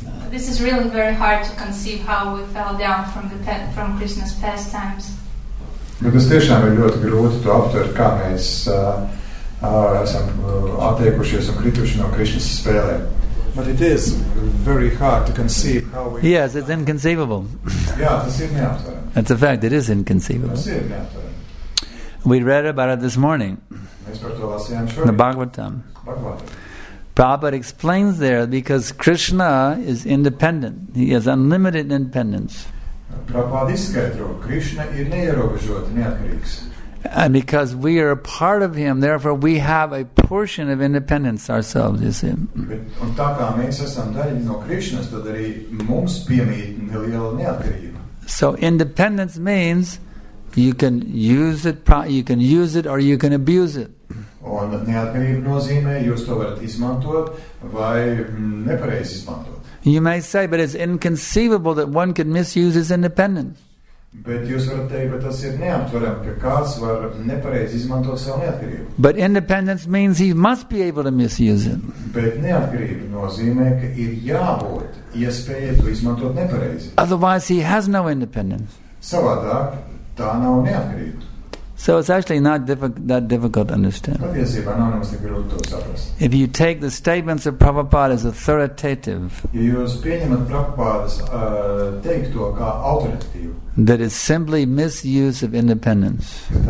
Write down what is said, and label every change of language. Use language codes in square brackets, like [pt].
[en] This is really very hard to conceive how we fell down from the from Krishna's pastimes. [lv] Bet tas tiešām ir ļoti grūti to aptvert, kā mēs esam atteikušies un krituši no Krishna's spēlēm. [en] But it is very hard to conceive how we. Yes, it's inconceivable. [lv] Jā, tas ir neaptverami. [en] That's a fact, it is inconceivable. [lv] Tas ir neaptverami. [en] We read about it this morning. [lv] Mēs par to lasījām šorīt. [en] The Bhagavatam. [lv] Bhagavatam. [en] Prabhupada explains there because Krishna is independent. He has unlimited independence. [lv] Prabhupada izskaidro, Krishna ir neierobežot, neatkarīgs. [en] And because we are a part of him, therefore we have a portion of independence ourselves, you see. [lv] Un tā kā mēs esam daļi no Krishnas, tad arī mums piemīt neliela neatkarība. [en] So independence means you can use it or you can abuse it. [lv] Un neatkarība nozīmē, jūs to varat izmantot vai nepareizi izmantot. [en] You may say, but it's inconceivable that one could misuse his independence. [lv] Bet jūs varat teikt, bet tas ir neaptveram, ka kāds var nepareizi izmantot savu neatkarību. [en] But independence means he must be able to misuse it. [lv] Bet neatkarība nozīmē, ka ir jābūt iespēja to izmantot nepareizi. [en] Otherwise he has no independence. [lv] Savādāk, tā nav neatkarība. [en] So it's actually not that difficult to understand. If you take the statements of Prabhupada as authoritative, that is simply misuse of independence.